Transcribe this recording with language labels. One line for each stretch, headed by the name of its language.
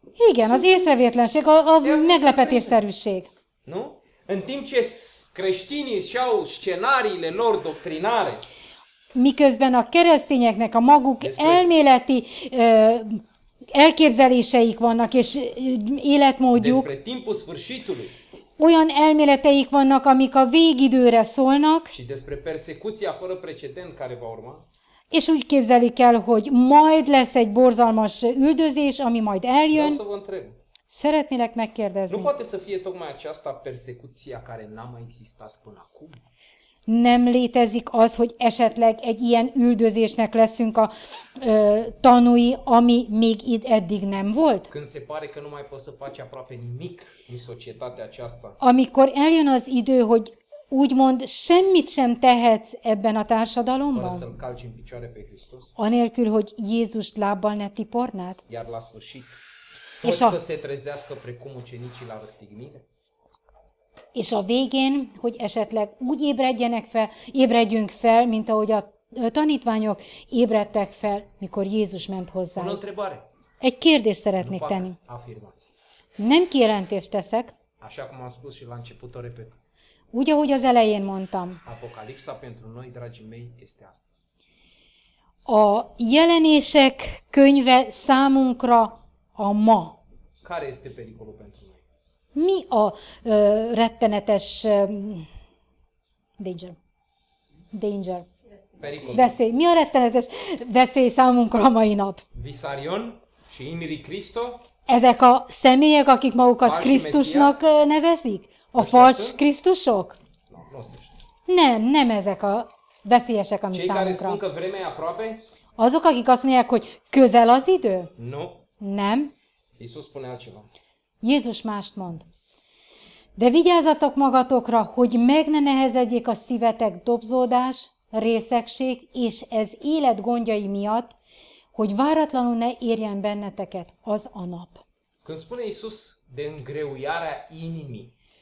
Hungarian: Igen, az észrevétlenség, a meglepetésszerűség.
Romanian: Nu? În timp ce creștinii și-au scenariile lor doctrinare.
Hungarian: Miközben a keresztényeknek a maguk elméleti elképzeléseik vannak és életmódjuk.
Romanian: Despre timpul sfârșitului.
Hungarian: Olyan elméleteik vannak, amik a végidőre szólnak.
Romanian: Și despre persecuția fără precedent care va urma.
Hungarian: És úgy képzelik el, hogy majd lesz egy borzalmas üldözés, ami majd eljön. Szeretnélek megkérdezni.
Romanian: Nu poate să fie tocmai aceasta persecuția care n-a mai existat până acum?
Hungarian: Nem létezik az, hogy esetleg egy ilyen üldözésnek leszünk a tanúi, ami még itt eddig nem volt?
Romanian: Când se pare că nu mai poți să faci aproape nimic în societatea aceasta.
Hungarian: Amikor eljön az idő, hogy úgymond semmit sem tehetsz ebben a társadalomban?
Romanian: Fără să-l calci în picioare pe Hristos.
Hungarian: Anélkül, hogy Jézust lábbal ne tipornád?
Romanian: Iar la sfârșit.
Hungarian: És a...
Romanian: se trezească precum ucenicii la răstignire.
Hungarian: És a végén, hogy esetleg úgy ébredjenek fel, ébredjünk fel, mint ahogy a tanítványok ébredtek fel, mikor Jézus ment hozzá. Egy kérdést szeretnék tenni.
Romanian: Afirmați.
Hungarian: Nem kijelentést teszek.
Romanian: Așa cum am spus și la început, o repet.
Hungarian: Úgy, ahogy az elején mondtam.
Romanian: Apocalipsa pentru noi, dragii mei, este astăzi.
Hungarian: A jelenések könyve számunkra a ma.
Romanian: Care este pericolul pentru noi?
Hungarian: Mi a rettenetes danger? Danger.
Romanian: Pericol.
Hungarian: Veszély. Mi a rettenetes veszély számunkra a mai nap?
Romanian: Viszarion și Imri Cristo.
Hungarian: Ezek a személyek, akik magukat Falsi Krisztusnak Messia? Nevezik? A falcs Krisztusok?
Romanian: No,
Hungarian: nem, nem ezek a veszélyesek a mi számunkra.
Romanian: Cei care spun că vremea e aproape?
Hungarian: Azok, akik azt mondják, hogy közel az idő?
Romanian: No.
Hungarian: Nem.
Romanian: Iisus spune altceva.
Hungarian: Jézus mást mond. De vigyázzatok magatokra, hogy meg ne nehezedjék a szívetek dobzódás, részegség, és ez élet gondjai miatt, hogy váratlanul ne érjen benneteket az a nap.
Romanian: Când spune Iisus de îngreuiarea inimii.